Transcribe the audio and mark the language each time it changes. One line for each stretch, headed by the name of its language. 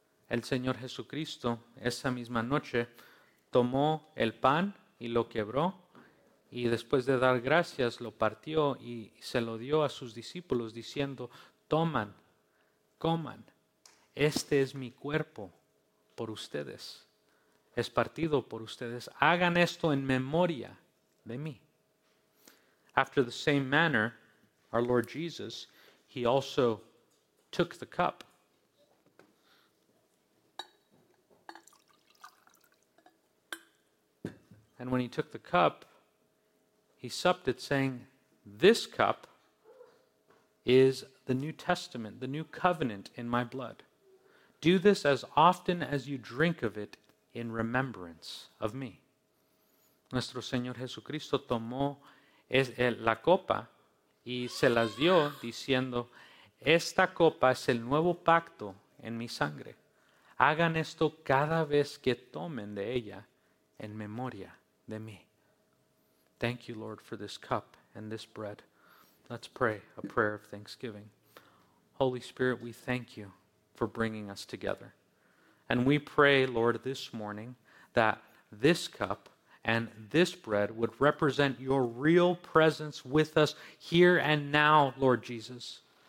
Spanish: El Señor Jesucristo, esa misma noche, tomó el pan, y lo quebró, y después de dar gracias, lo partió y se lo dio a sus discípulos, diciendo, toman, coman, este es mi cuerpo por ustedes, es partido por ustedes, hagan esto en memoria de mí.
English: After the same manner, our Lord Jesus, he also took the cup. And when he took the cup, he supped it, saying, "This cup is the New Testament, the New Covenant in my blood. Do this as often as you drink of it in remembrance of me."
Spanish: Nuestro Señor Jesucristo tomó la copa y se las dio, diciendo, "Esta copa es el nuevo pacto en mi sangre. Hagan esto cada vez que tomen de ella en memoria de mí."
English: Thank you, Lord, for this cup and this bread. Let's pray a prayer of thanksgiving. Holy Spirit, we thank you for bringing us together. And we pray, Lord, this morning that this cup and this bread would represent your real presence with us here and now, Lord Jesus.